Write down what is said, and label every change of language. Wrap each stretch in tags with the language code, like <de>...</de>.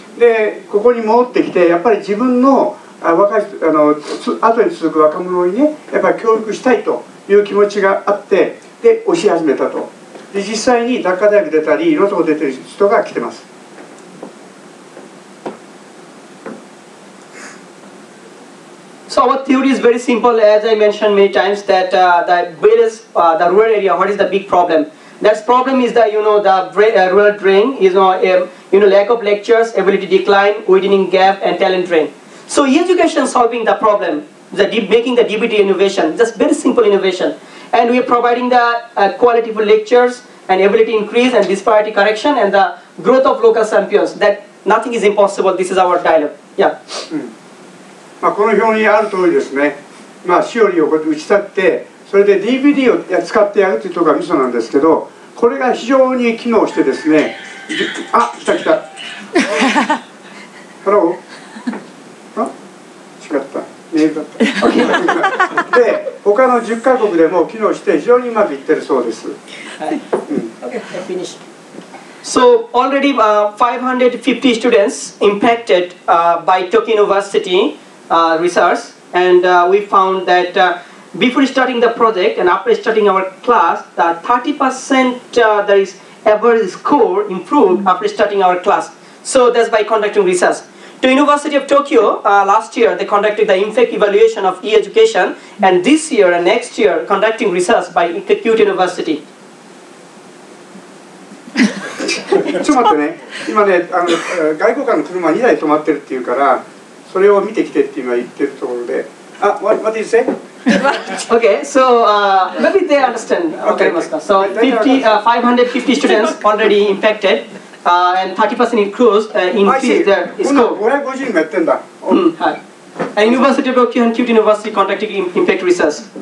<ja>で、ここに戻ってきて、やっぱり自分の若い人、後に続く若者にね、やっぱり教育したいという気持ちがあって、で、教え始めたと。で、実際に中大学出たり、いろんなとこ出てる人が来てます。</ja> <en>So our theory is very simple, as I mentioned many times, that the villages, the rural area, what is the big problem? That problem is that, you know, the rural drain is, you know, lack of lectures, ability decline, widening gap, and talent drain. So education solving the problem, making the DBT innovation, just very simple innovation. And we are providing the quality for lectures, and ability increase, and disparity correction, and the growth of local champions. That nothing is impossible. This is our dialogue. Yeah.</en> <ja>まあこの表にある通りですね。まあ勝利を打ち立って、それで DVD を使ってやるというところがミソなんですけど、これが非常に機能してですね、あ、来た来た。ハロー。あ、違った。メールだった。で、他の10カ国でも機能して非常にうまくいってるそうです。</ja> <en>はい。うん、OK, finish. So, already 550 students impacted by Tokyo University research, and we found that before starting the project and after starting our class, the 30% that is average score improved after starting our class. So that's by conducting research. The University of Tokyo, last year, they conducted the impact evaluation of e-education, and this year and next year, conducting research by Kyoto University.</en> <ja>ちょっと待ってね。今ね、外交官の車2台止まってるっていうから、それを見てきてって今言ってるところで。</ja> <en>あ、what did you say? Okay, so maybe they understand. Okay, so 550 students already impacted, and 30% increased their score. I see. 550 met them. And University of Tokyo and Kyoto University conducted impact research.</en>